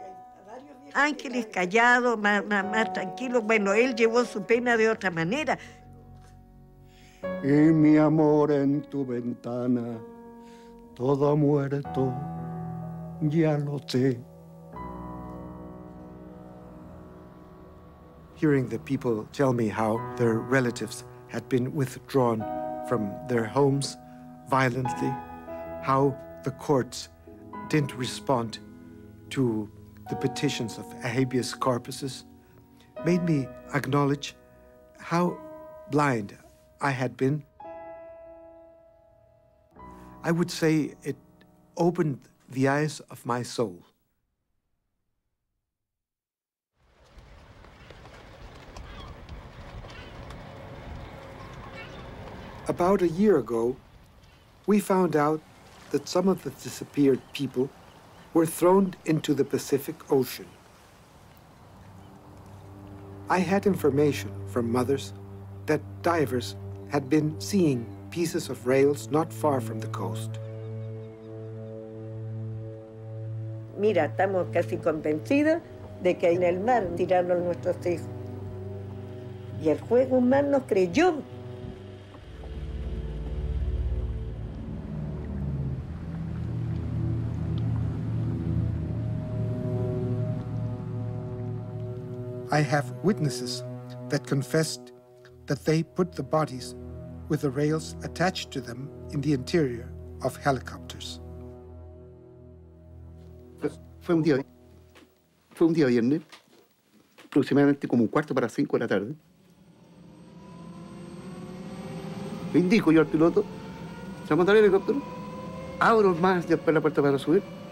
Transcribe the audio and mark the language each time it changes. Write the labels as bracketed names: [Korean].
[Spanish] hay varios días. Ángeles callado, más tranquilo. Bueno, él llevó su pena de otra manera. Y mi amor en tu ventana, todo muerto, ya lo sé. [English] Hearing the people tell me how their relatives had been withdrawn from their homes violently, how the courts didn't respond to the petitions of habeas corpuses, made me acknowledge how blind I had been. I would say it opened the eyes of my soul. About a year ago, we found out that some of the disappeared people were thrown into the Pacific Ocean. I had information from mothers that divers had been seeing pieces of rails not far from the coast. [Spanish] Mira, estamos casi convencidos de que en el mar tiraron nuestros hijos. Y el juez Guzmán nos creyó. [English] I have witnesses that confessed that they put the bodies with the rails attached to them in the interior of helicopters. [Spanish] Fue un día viernes, aproximadamente como 4:45 de la tarde. Me indico yo al piloto, se monta el helicóptero, abro más después la puerta para subir.